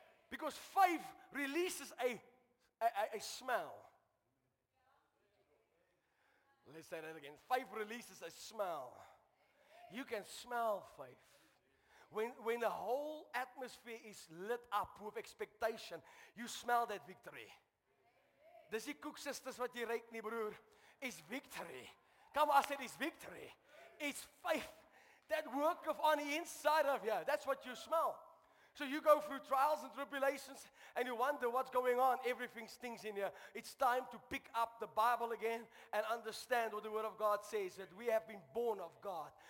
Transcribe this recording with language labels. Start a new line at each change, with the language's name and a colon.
English: Because faith releases a smell. Let's say that again. Faith releases a smell. You can smell faith. When the whole atmosphere is lit up with expectation, you smell that victory.
Afrikaans: Dis die koek sisters wat jy ruik nie, broer.
English: It's victory. Come on, I said it's victory. It's faith. That worketh on the inside of you. That's what you smell. So you go through trials and tribulations and you wonder what's going on. Everything stinks in here. It's time to pick up the Bible again and understand what the Word of God says, that we have been born of God.